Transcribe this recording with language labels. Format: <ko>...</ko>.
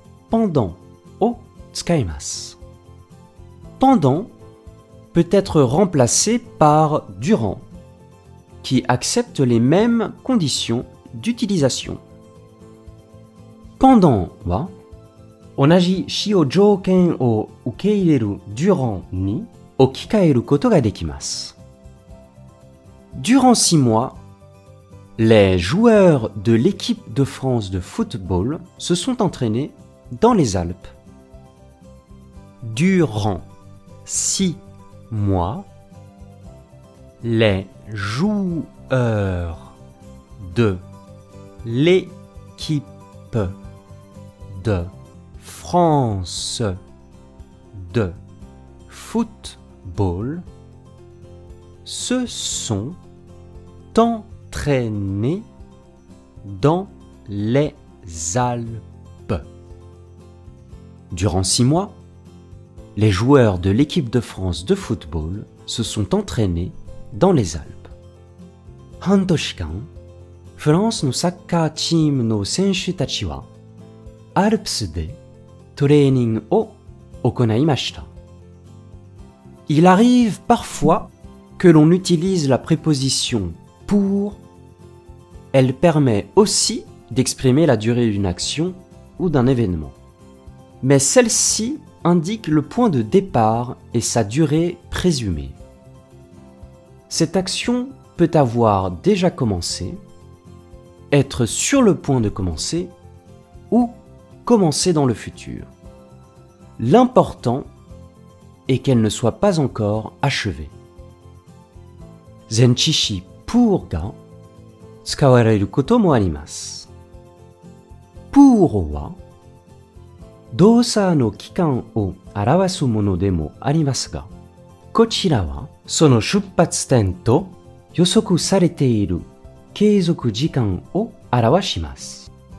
<ja>pendant を使います。</ja> <fr>pendant peut être remplacé par durant, qui accepte les mêmes conditions d'utilisation.</fr> <ja>pendant は、同じ使用条件を受け入れる durant に置き換えることができます。</ja> <fr>durant 6 mois,Les joueurs de l'équipe de France de football se sont entraînés dans les Alpes. Durant 6 mois, les joueurs de l'équipe de France de football se sont entraînés. Traîné dans les Alpes. Durant 6 mois, les joueurs de l'équipe de France de football se sont entraînés dans les Alpes.</fr> <ja>半年間、フランスのサッカーチームの選手たちはアルプスでトレーニングを行いました。</ja> <fr>Il arrive parfois que l'on utilise la préposition pour. Elle permet aussi d'exprimer la durée d'une action ou d'un événement. Mais celle-ci indique le point de départ et sa durée présumée. Cette action peut avoir déjà commencé, être sur le point de commencer ou commencer dans le futur. L'important est qu'elle ne soit pas encore achevée.</fr> <ja>前置詞 pour が使われることもあります。 pour は動作の期間を表すものでもありますが、こちらはその出発点と予測されている継続時間を表します。</ja>